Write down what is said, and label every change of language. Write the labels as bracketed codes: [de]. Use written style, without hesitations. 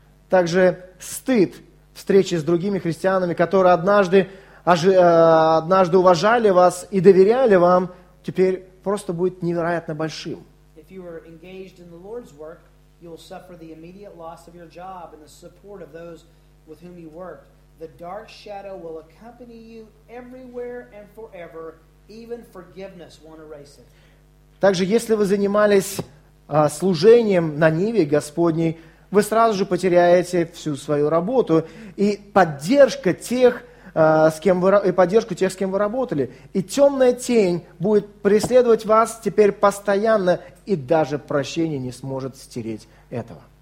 [ru] Также стыд встречи с другими христианами, которые однажды уважали вас и доверяли вам, теперь просто будет невероятно большим. [en] If you are engaged in the Lord's work, you will suffer the immediate loss of your job and the support of those with whom you worked. The dark shadow will accompany you everywhere and forever. Even forgiveness won't erase it. [ru] Также, если вы занимались служением на Ниве Господней, вы сразу же потеряете всю свою работу и поддержка тех, с кем вы работали. И темная тень будет преследовать вас теперь постоянно, и даже прощение не сможет стереть этого.